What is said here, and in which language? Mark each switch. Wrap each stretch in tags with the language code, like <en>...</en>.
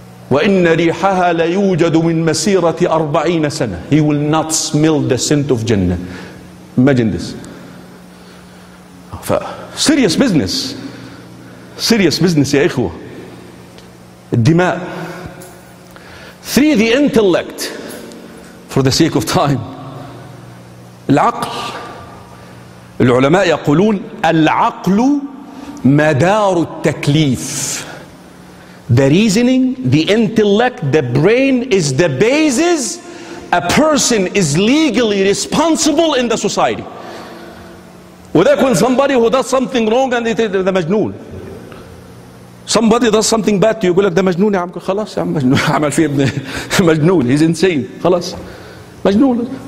<ar>وإن ريحها لا يوجد من مسيرة أربعين سنة.</ar> <en>He will not smell the scent of Jannah. Imagine this. Serious business. Serious business,</en> <ar>يا إخوة.</ar> <en>الدماء. Three, the intellect. For the sake of time. العقل.</en> <ar>العلماء يقولون العقل مدار التكليف.</ar> <en>The reasoning, the intellect, the brain is the basis a person is legally responsible in the society. When somebody who does something wrong and they say, the majnoon. Somebody does something bad to you, you go like, the majnoon, ya'am, khalas, ya'am, majnoon, ya'amal fi ibn, majnoon, he's insane, khalas, majnoon.</en>